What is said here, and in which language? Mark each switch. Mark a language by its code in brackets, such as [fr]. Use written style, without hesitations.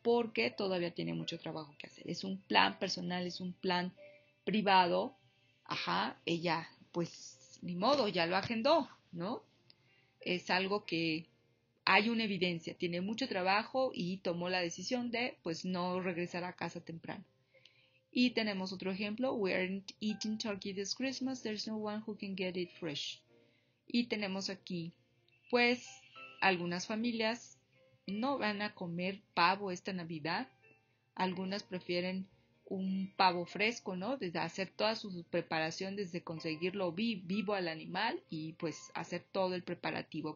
[es] Porque todavía tiene mucho trabajo que hacer. Es un plan personal, es un plan privado. Ajá, ella, pues, ni modo, ya lo agendó, ¿no? Es algo que hay una evidencia. Tiene mucho trabajo y tomó la decisión de, pues, no regresar a casa temprano. Y tenemos otro ejemplo. [en] We aren't eating turkey this Christmas. There's no one who can get it fresh. [es] Y tenemos aquí, pues, algunas familias no van a comer pavo esta Navidad. Algunas prefieren un pavo fresco, ¿no? Desde hacer toda su preparación, desde conseguirlo vivo al animal y, pues, hacer todo el preparativo.